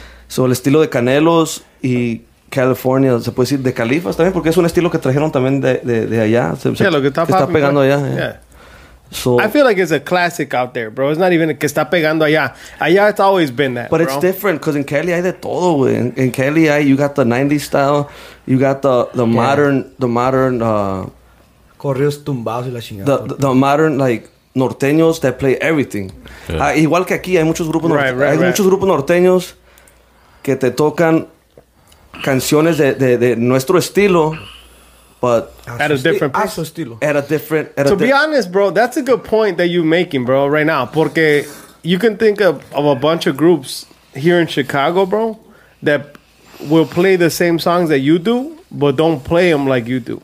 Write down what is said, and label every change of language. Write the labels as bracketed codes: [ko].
[es] So, el estilo de Canelos y California, se puede decir de Califas también, porque es un estilo que trajeron también de allá, lo que está pegando allá. [en] So, I feel like it's a classic out there, bro. It's not even [es] que está pegando allá. Allá, [en] it's always been that, but bro. It's different because in Cali [es] hay de todo, güey. [en] In Cali, you got the 90s style. You got the yeah. modern... [es] Corridos tumbados y la chingada. [en] The modern, like, norteños that play everything. Yeah. [es] Igual que aquí, hay muchos grupos norteños que te tocan canciones de nuestro estilo... [en] But at a different place. At a different. At to be honest, bro, that's a good point that you're making, bro, right now. Porque you can think of a bunch of groups here in Chicago, bro, that will play the same songs that you do, but don't play them like you do.